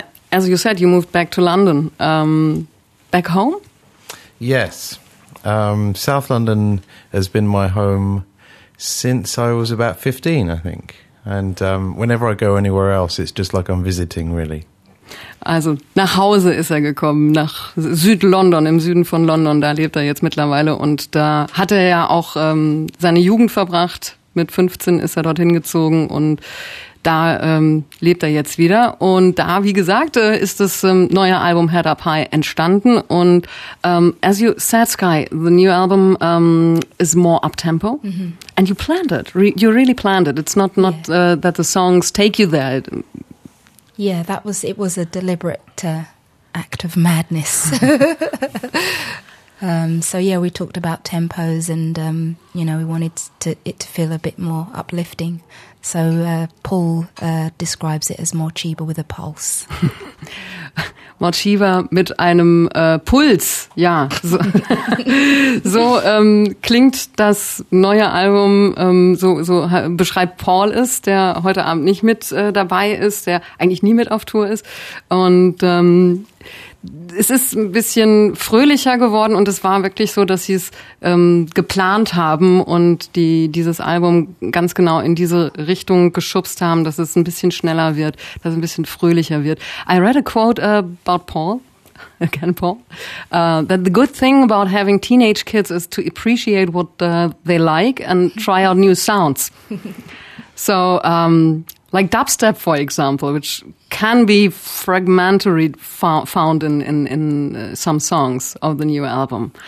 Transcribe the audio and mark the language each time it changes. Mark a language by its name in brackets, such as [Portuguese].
[English] As you said, you moved back to London. Back home? Yes. South London has been my home since I was about 15, I think. And whenever I go anywhere else, it's just like I'm visiting, really. [German] Also nach Hause ist er gekommen, nach Süd-London, im Süden von London. Da lebt er jetzt mittlerweile. Und da hat er ja auch seine Jugend verbracht. Mit 15 ist er dorthin gezogen, und da lebt er jetzt wieder. Und da, wie gesagt, ist das neue Album Head Up High entstanden. [English] Und as you said, Sky, the new album is more up-tempo. Mm-hmm. And you planned it. You really planned it. It's not that the songs take you there. Yeah, it was a deliberate act of madness. So we talked about tempos and, we wanted it to feel a bit more uplifting. So Paul describes it as more Chiba with a pulse. [German] More Chiba mit einem Puls, ja. So, so klingt das neue Album, so beschreibt Paul es, der heute Abend nicht mit dabei ist, der eigentlich nie mit auf Tour ist. Und es ist ein bisschen fröhlicher geworden und es war wirklich so, dass sie es geplant haben und dieses Album ganz genau in diese Richtung geschubst haben, dass es ein bisschen schneller wird, dass es ein bisschen fröhlicher wird. [English] I read a quote about Paul, again Paul, that the good thing about having teenage kids is to appreciate what they like and try out new sounds. So, like dubstep, for example, which can be fragmentary found in some songs of the new album.